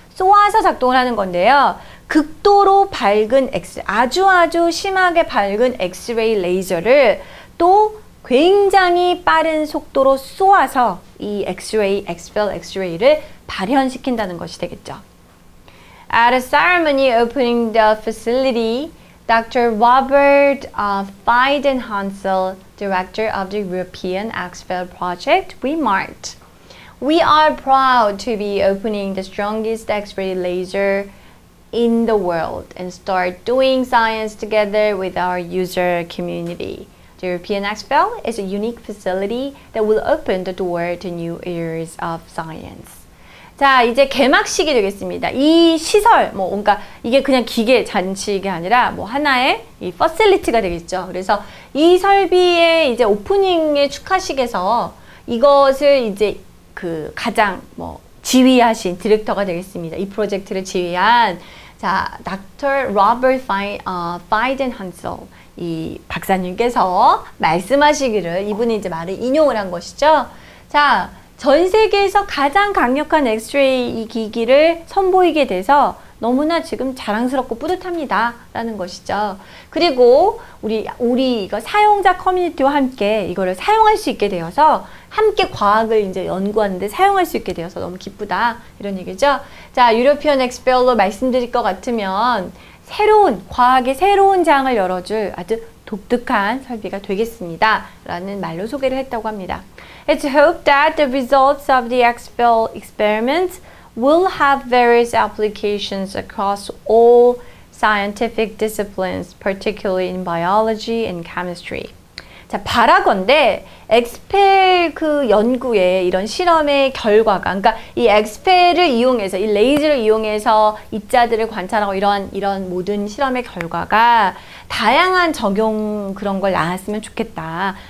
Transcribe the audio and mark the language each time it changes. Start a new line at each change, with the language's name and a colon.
Korean: 쏘아서 작동을 하는 건데요. 극도로 밝은 아주 심하게 밝은 엑스레이 레이저를 또 굉장히 빠른 속도로 쏘아서 이 엑스레이, 엑스펠 엑스레이를 발현시킨다는 것이 되겠죠.
English: At a ceremony opening the facility, Dr. Robert Feidenhansel, director of the European X-ray project, remarked, "We are proud to be opening the strongest X-ray laser in the world and start doing science together with our user community. The European X-ray is a unique facility that will open the door to new eras of science."
Korean: 자, 이제 개막식이 되겠습니다. 이 시설, 뭐 뭔가 이게 그냥 기계 잔치가 아니라 뭐 하나의 이 퍼실리티가 되겠죠. 그래서 이 설비의 이제 오프닝의 축하식에서 이것을 이제 그 가장 뭐 지휘하신 디렉터가 되겠습니다. 이 프로젝트를 지휘한 자, 닥터 로버트 파이덴헌슬 이 박사님께서 말씀하시기를 이분이 이제 말을 인용을 한 것이죠. 자, 전 세계에서 가장 강력한 엑스레이 기기를 선보이게 돼서 너무나 지금 자랑스럽고 뿌듯합니다. 라는 것이죠. 그리고 우리 이거 사용자 커뮤니티와 함께 이거를 사용할 수 있게 되어서 함께 과학을 이제 연구하는데 사용할 수 있게 되어서 너무 기쁘다. 이런 얘기죠. 자, 유러피언 엑스펠로 말씀드릴 것 같으면 새로운, 과학의 새로운 장을 열어줄 아주 독특한 설비가 되겠습니다. 라는 말로 소개를 했다고 합니다.
English: It's hoped that the results of the X-ray experiments will have various applications across all scientific disciplines, particularly in biology and chemistry.
Korean: 자, 바라건대 엑스펠 그 연구에 이런 실험의 결과가 그러니까 이 엑스펠을 이용해서 이 레이저를 이용해서 입자들을 관찰하고 이런 모든 실험의 결과가 다양한 적용 그런 걸 나왔으면 좋겠다.